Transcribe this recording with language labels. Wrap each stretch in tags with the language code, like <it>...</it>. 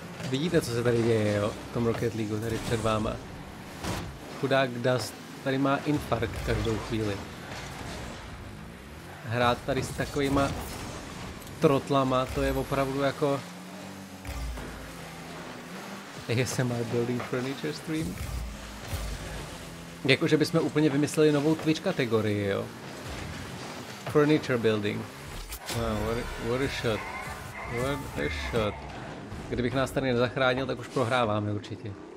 <cs>Vidíte, co se tady děje, jo? V tom Rocket League, tady před váma. Chudák Dust tady má infarkt každou chvíli. Hrát tady s takovýma trotlama, to je opravdu jako...</cs> <en>ASMR building furniture stream?</en> <cs>Jakože bychom úplně vymysleli novou Twitch kategorii, jo? Furniture building.</cs> <en>Wow, what a shot.</en> <cs>Kdybych nás tady nezachránil, tak už prohráváme určitě.</cs>